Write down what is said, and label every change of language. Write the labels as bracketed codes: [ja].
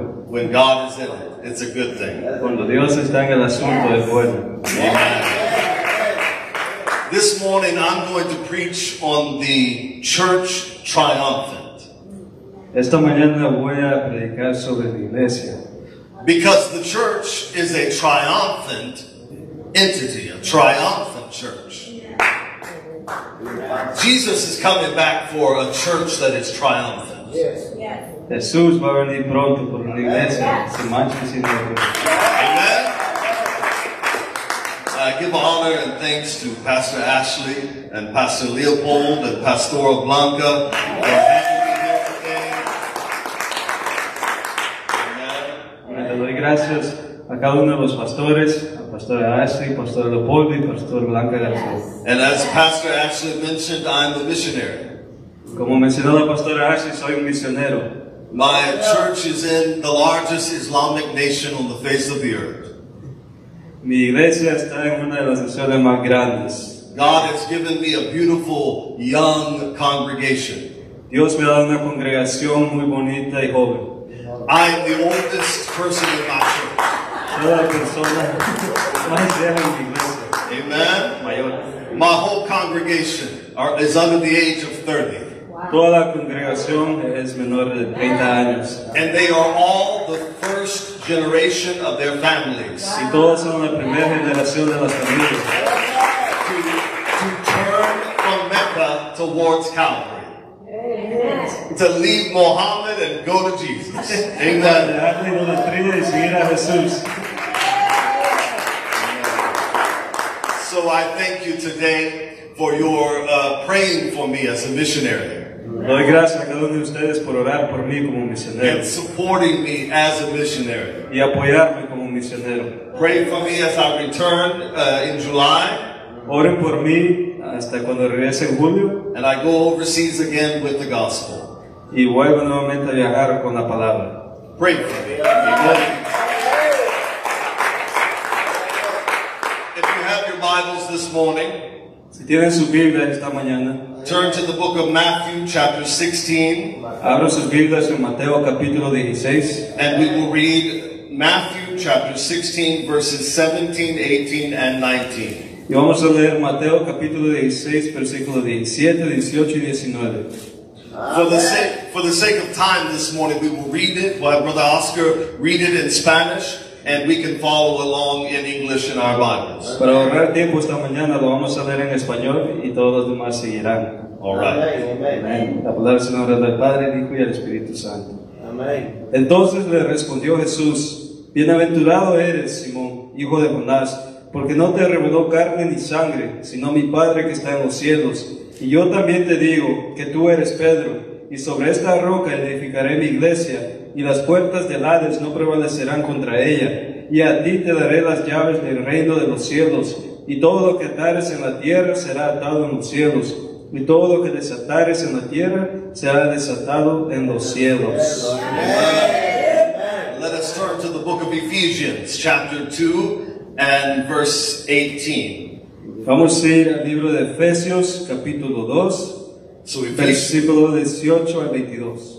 [en] When God is in it, it's a good thing. Amen. This morning I'm going to preach on the church triumphant. [es] Esta mañana voy a predicar sobre la iglesia. [en] Because the church is a triumphant entity, a triumphant church. Jesus is coming back for a church that is triumphant. Yes. [es] Jesús va a venir pronto por la iglesia. [en] Amen. I give honor and thanks to Pastor Ashley and Pastor Leopold and Pastora Blanca for having me here today. [es] Amen. Le doy gracias a cada uno de los pastores, a Pastor Ashley, Pastor Leopold y Pastor Blanca. [en] And as Pastor Ashley mentioned, I'm a missionary. [es] Como mencionó la Pastora Ashley, soy un misionero. [en] My church is in the largest Islamic nation on the face of the earth. [es] Mi iglesia está en una de las naciones más grandes. [en] God has given me a beautiful young congregation. [es] Dios me ha dado una congregación muy bonita y joven. [en] I am the oldest person in my church. [es] Soy la persona más vieja en mi iglesia. [en] Amen. My whole congregation is under the age of 30. [es] Toda la congregación es menor de 30 años. [en] And they are all the first generation of their families. [es] Y todas son la primera generación de las familias. [en] To turn from Mecca towards Calvary. Amen. To leave Mohammed and go to Jesus. Amen. So I thank you today for your praying for me as a missionary. [es] Doy gracias a cada uno de ustedes por orar por mí como misionero. [en] And supporting me as a missionary. [es] Y apoyarme como misionero. [en] Pray for me as I return in July. [es] Oren por mí hasta cuando regrese en julio. [en] And I go overseas again with the gospel. [es] Y vuelvo nuevamente a viajar con la palabra. [en] Pray for me. Amen. If you have your Bibles this morning, [es] si tienen su Biblia esta mañana, [en] turn to the book of Matthew, chapter 16. [es] Abra sus Biblias en Mateo, capítulo 16. [en] And we will read Matthew, chapter 16, verses 17, 18, and 19. [es] Y vamos a leer Mateo, capítulo 16, versículo 17, 18 y 19. [en] For the sake of time this morning, we will read it. While Brother Oscar read it in Spanish, and we can follow along in English in our Bibles. [es] Para ahorrar tiempo esta mañana, lo vamos a leer en español y todos los demás seguirán. [en] All right. [es] La palabra es en nombre del Padre, del Hijo y del Espíritu Santo. Entonces le respondió Jesús: Bienaventurado eres, Simón, hijo de Jonás, porque no te reveló carne ni sangre, sino mi Padre que está en los cielos. Y yo también te digo que tú eres Pedro, y sobre esta roca edificaré mi iglesia, y las puertas del Hades no prevalecerán contra ella. Y a ti te daré las llaves del reino de los cielos, y todo lo que atares en la tierra será atado en los cielos, y todo lo que desatares en la tierra será desatado en los cielos. [en] Let us turn to the book of Ephesians, chapter 2 and verse 18. [es] Vamos a ir al libro de Efesios, capítulo 2, so versículo 18 al 22.